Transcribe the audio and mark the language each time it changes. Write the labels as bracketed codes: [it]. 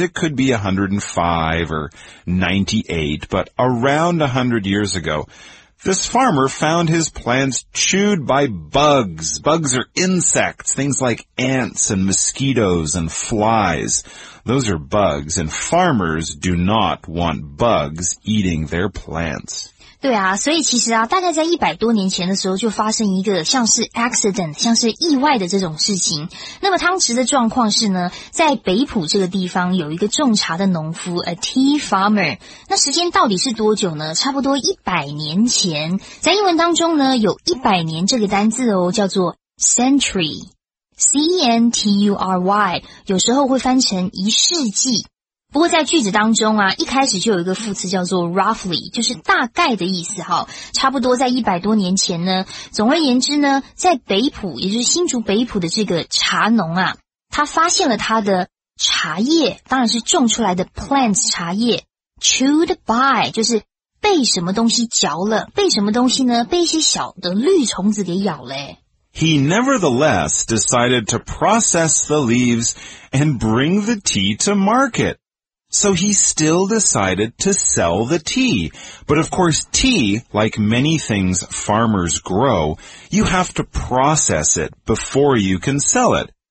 [en] It could be 105 or 98, but around 100 years ago, this farmer found his plants chewed by bugs. Bugs are insects, things like ants and mosquitoes and flies. Those are bugs, and farmers do not want bugs eating their plants. [zh] 对啊，所以其实啊，大概在100多年前的时候就发生一个像是 accident, 像是意外的这种事情。那么当时的状况是呢，在北浦这个地方有一个种茶的农夫 , [en] a tea farmer。 [zh] 那时间到底是多久呢？差不多100年前。在英文当中呢，有100年这个单字哦，叫做 century。 C-E-N-T-U-R-Y, 有时候会翻成一世纪。不过在句子当中啊，一开始就有一个副词叫做 roughly， 就是大概的意思哈。差不多在100多年前呢，总而言之呢，在北埔，也就是新竹北埔的这个茶农啊，他发现了他的茶叶，当然是种出来的 plants 茶叶 [en] chewed by， [zh] 就是被什么东西嚼了，被什么东西呢？被一些小的绿虫子给咬了。 [en] He nevertheless decided to process the leaves and bring the tea to market. So he still decided to sell the tea. But of course, tea, like many things farmers grow, you have to process it before you can sell it.